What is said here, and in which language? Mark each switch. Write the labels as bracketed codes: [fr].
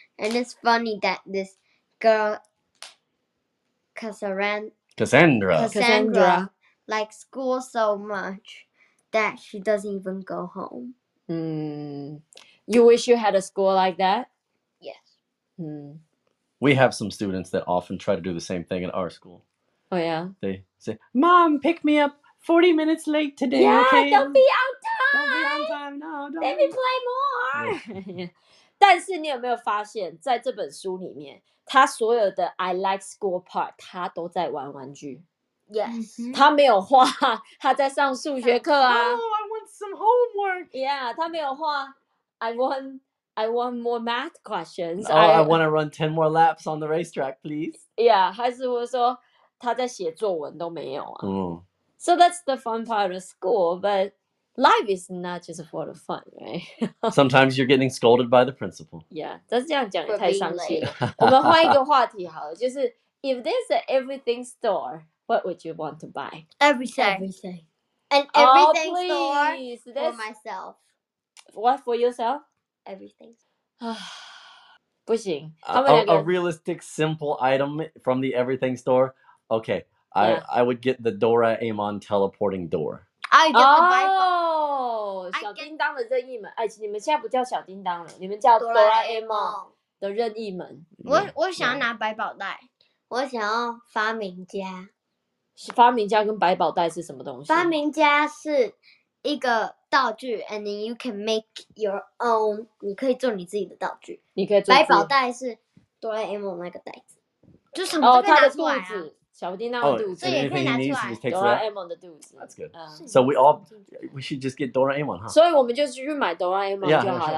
[en] And it's funny that this girl... Cassandra likes school so much that she doesn't even go home. You wish you had a school like that? Yes. We have some students that often try to do the same thing at our school. Oh, yeah? They say, Mom, pick me up 40 minutes late today, yeah, okay? Yeah, don't be on time! Don't be on time, no, don't. Let me play more! Yeah. [zh] 但是你有没有发现在这本书里面他所有的 [en] I like school part [zh] 他都在玩玩具 [en] Yes [zh] 他没有画他在上数学课啊 [en] Oh, I want some homework Yeah, [zh] 他没有画 [en] I want more math questions Oh, I want to run 10 more laps on the racetrack, please [zh] Yeah, 还是我说他在写作文都没有啊、 [en] oh. So that's the fun part of school, but life is not just for the fun, right? Sometimes you're getting scolded by the principal. [zh] Yeah, 但是这样讲也太伤心了。我们换一个话题好了，就是 [en] if there's an everything store, what would you want to buy? Everything. An everything store for myself. What for yourself? Everything. [zh] 不行。 [en] A realistic, simple item from the everything store. Okay, I would get the Doraemon teleporting door. I get the Bible. [zh] Oh, 小叮当的任意门。哎，你们现在不叫小叮当了，你们叫哆啦 A 梦的任意门。我想要拿百宝袋，我想要发明家。发明家跟百宝袋是什么东西？发明家是一个道具 [en] ，and then you can make your own. [zh] 你可以做你自己的道具。你可以做百宝袋是哆啦 A 梦那个袋子，就从这边拿出来啊。哦小叮当的肚子，所以可以拿出来。哆啦 A 梦的肚子 [en] ，That's good. So we should just get 哆啦 A 梦哈。 [zh] 所以我们就是去买哆啦 A 梦就好了。